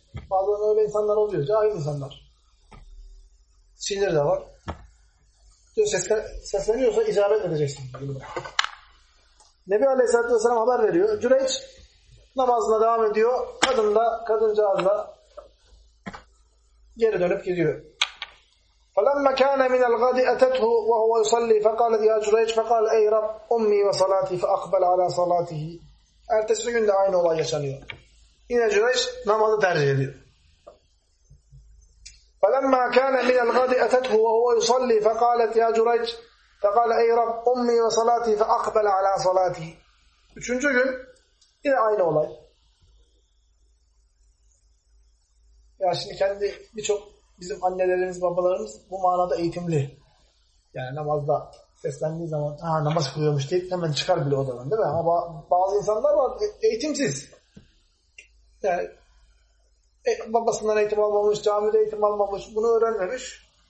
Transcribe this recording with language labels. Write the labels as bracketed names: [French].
[Turkish] Bazen öyle insanlar oluyor. Cahil insanlar. Sinir de var. Diyor sesleniyorsa icabet edeceksin. Nebi Aleyhisselatü Vesselam haber veriyor. Cüreyç namazına devam ediyor. Kadın da kadıncağız da geri dönüp gidiyor. [Arabic] فَلَمَّ كَانَ مِنَ الْغَدِ اَتَتْهُ وَهُوَ يُصَلِّي فَقَالَ يَا جُرَيْجْ فَقَالَ اَيْ رَبْ اُمِّي وَصَلَاتِي فَاَقْبَلْ عَلَى صَلَاتِهِ [Turkish] Ertesi günde aynı olay yaşanıyor. Yine Cüreyç namazı tercih ediyor. [Arabic] فَلَمَّا كَانَ مِنَ الْغَدِ اَتَتْهُ وَهُوَ يُصَلِّي فَقَالَ يَا جُرَيْجْ فَقَالَ اَيْ رَبْ اُمِّي وَصَلَاتِي فَاَقْبَلَ عَلَى صَلَاتِهِ [Turkish] Üçüncü gün yine aynı olay. Ya şimdi kendi birçok bizim annelerimiz, babalarımız bu manada eğitimli. Yani namazda seslendiği zaman namaz kılıyormuş deyip hemen çıkar bile odadan değil mi? Ama bazı insanlar var eğitimsiz. Yani babasından eğitim almamış, camide eğitim almamış, bunu öğrenmemiş.